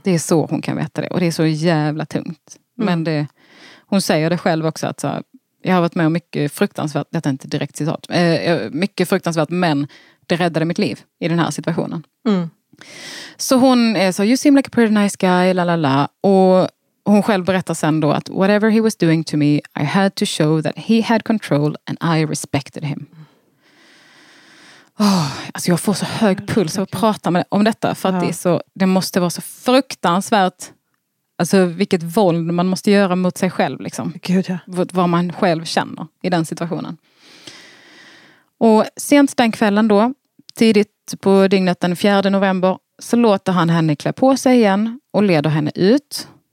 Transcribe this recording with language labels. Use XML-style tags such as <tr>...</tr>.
<sv>Det är så hon kan veta det. Och det är så jävla tungt. Mm. Men det, hon säger det själv också. Att så här, jag har varit med om mycket fruktansvärt. Detta är inte direkt citat. Mycket fruktansvärt, men det räddade mitt liv. I den här situationen. Mm. Så hon är så,</sv> <en>you seem like a pretty nice guy. Lalala.</en> <sv>Och hon själv berättar sen då att</sv> <en>whatever he was doing to me, I had to show that he had control and I respected him.</en> <sv>Oh, alltså jag får så hög puls av att prata med, om detta för att ja. det måste vara så fruktansvärt, alltså vilket våld man måste göra mot sig själv liksom. Gud, ja. Vad man själv känner i den situationen. Och sent den kvällen då, tidigt på dygnet den 4 november, så låter han henne klä på sig igen och leder henne ut.</sv>